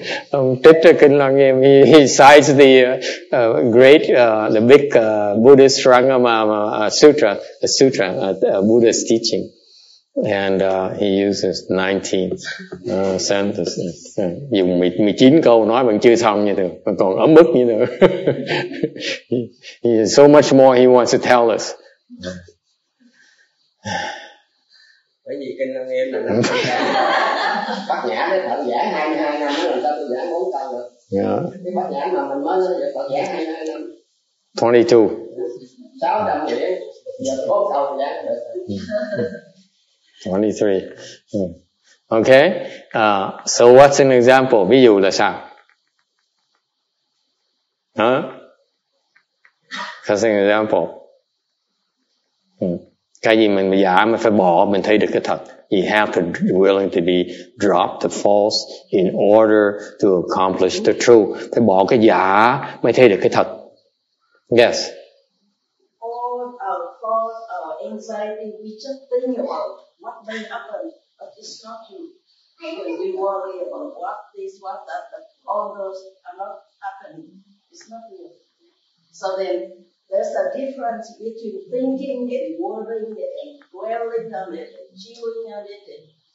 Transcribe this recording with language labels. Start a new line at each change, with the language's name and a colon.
English: Ông Thích Kinh Lăng Nghiêm, he cites the great, the big Buddhist Rangamama Sutra, a sutra, a Buddhist teaching, and he uses 19 sentences.
Vietnamese: Dùng 19 câu nói vẫn chưa xong như thường, vẫn còn ấm ức như thường.
English: He has so much more he wants to tell us.
Vietnamese: Bởi vì Kinh Lăng Nghiêm là Bát Nhã nó Phật giảng 22 năm, nó làm sao tôi giảng 4 câu được. Cái Bát Nhã mà mình mới nói Phật giảng 22 năm. 22. 600 nghĩa, giờ 4 câu thì giảng được.
English: 23. Okay. So what's an example?
Vietnamese: Ví dụ là sao?
English: Huh? What's an example?
Vietnamese: Cái gì mình giả mình phải bỏ, mình thấy được cái thật.
English: You have to be willing to be drop the false in order to accomplish the true.
Vietnamese: Phải bỏ cái giả mới thấy được cái thật.
English: Yes. All our thoughts, our anxiety, we just think about what may happen, but it's not true. When we worry about what this, what that, that all those are not happening. It's not true. So then, there's a difference between thinking and worrying and dwelling on it and chewing on it.